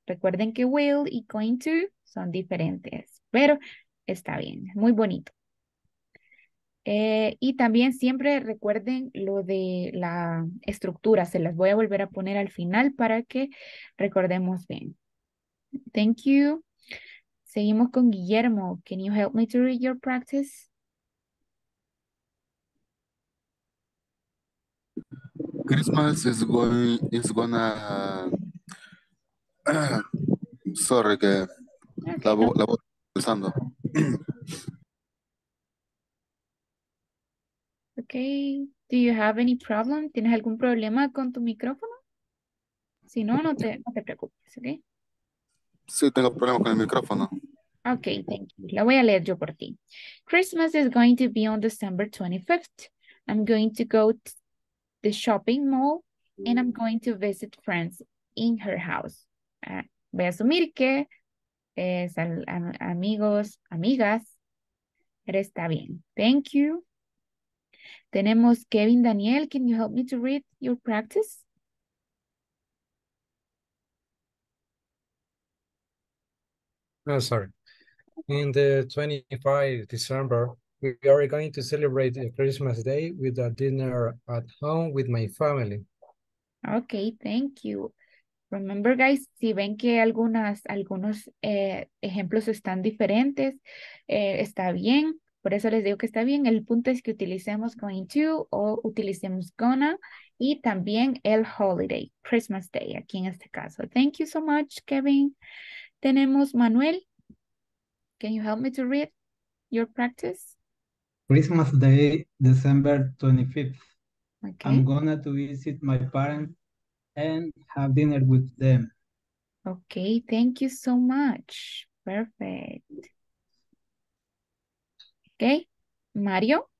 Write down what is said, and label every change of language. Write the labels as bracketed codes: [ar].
[es] Recuerden que will y going to son diferentes, pero está bien, muy bonito. Y también siempre recuerden lo de la estructura. Se las voy a volver a poner al final para que recordemos bien. [en] Thank you. [es] Seguimos con Guillermo. [en] Can you help me to read your practice? Christmas is going to... Okay, do you have any problem? [es] ¿Tienes algún problema con tu micrófono? Si no, no te preocupes, okay? Sí, tengo problemas con el micrófono. [en] Okay, thank you. [es] La voy a leer yo por ti. [en] Christmas is going to be on December 25th. I'm going to go to the shopping mall and I'm going to visit friends in her house. [es] Voy a asumir que es amigas, pero está bien. [en] Thank you. Tenemos Kevin Daniel. Can you help me to read your practice? Oh, sorry. In the 25th December, we are going to celebrate a Christmas Day with a dinner at home with my family. Okay, thank you. Remember, guys, [es] si ven que algunos ejemplos están diferentes, está bien. Por eso les digo que está bien. El punto es que utilicemos going to o utilicemos gonna y también el holiday, Christmas Day, aquí en este caso. [en] Thank you so much, Kevin. Tenemos Manuel. Can you help me to read your practice? Christmas Day, December 25th. Okay. I'm gonna to visit my parents and have dinner with them. Okay, thank you so much. Perfect. Okay, Mario,